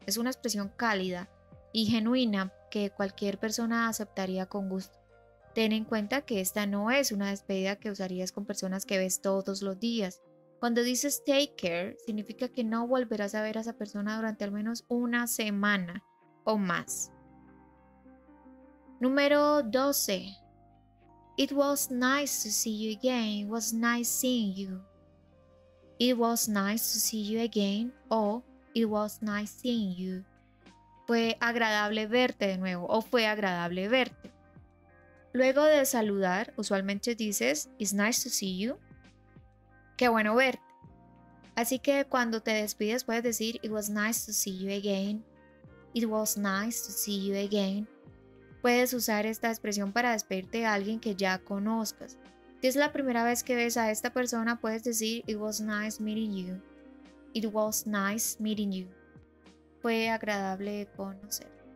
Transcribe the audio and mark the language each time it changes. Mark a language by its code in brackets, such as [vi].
[es] Es una expresión cálida y genuina que cualquier persona aceptaría con gusto. Ten en cuenta que esta no es una despedida que usarías con personas que ves todos los días. Cuando dices [en] take care, [es] significa que no volverás a ver a esa persona durante al menos una semana o más. Número 12. [en] It was nice to see you again. It was nice seeing you. It was nice to see you again. O it was nice seeing you. [es] Fue agradable verte de nuevo. O fue agradable verte. Luego de saludar, usualmente dices [en] it's nice to see you. [es] Qué bueno verte. Así que cuando te despides puedes decir [en] it was nice to see you again. It was nice to see you again. [es] Puedes usar esta expresión para despedirte de alguien que ya conozcas. Si es la primera vez que ves a esta persona, puedes decir [en] it was nice meeting you. It was nice meeting you. [es] Fue agradable conocer.